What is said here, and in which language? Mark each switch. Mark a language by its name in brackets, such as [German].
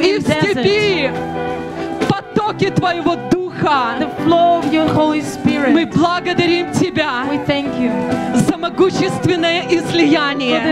[Russian] и в степи потоки Твоего Духа. [English] The flow of your Holy Spirit. [Russian] Мы благодарим Тебя, [English] we thank you, [Russian] за могущественное излияние,